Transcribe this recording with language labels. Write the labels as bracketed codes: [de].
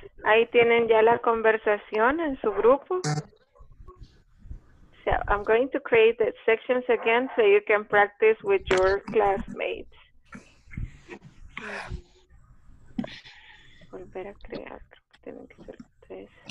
[es] Ahí tienen ya la conversación en su grupo. [en] So I'm going to create the sections again so you can practice with your classmates. [es] Volver a crear, creo que tienen que ser tres.